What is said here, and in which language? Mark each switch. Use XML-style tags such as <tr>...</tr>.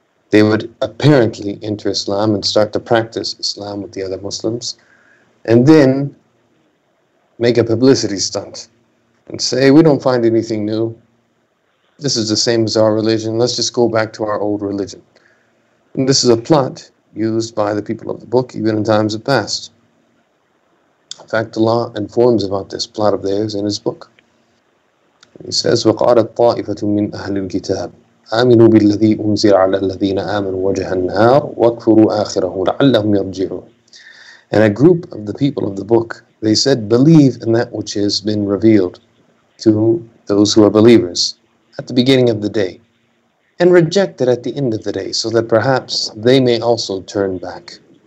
<en>They would apparently enter Islam and start to practice Islam with the other Muslims, and then make a publicity stunt and say, we don't find anything new. This is the same as our religion. Let's just go back to our old religion. And this is a plot used by the people of the book, even in times of past. In fact, Allah informs about this plot of theirs in his book. He says,</en> <ar>وَقَالَتْ طَائِفَةٌ مِّنْ أَهْلِ الْكِتَابِ آمنوا بالذي أنزل على الذين آمنوا وجه النهار وكفروا آخره لعلهم يرجعون.</ar> <en>And a group of the people of the book, they said, believe in that which has been revealed to those who are believers at the beginning of the day, and reject it at the end of the day, so that perhaps they may also turn back.</en>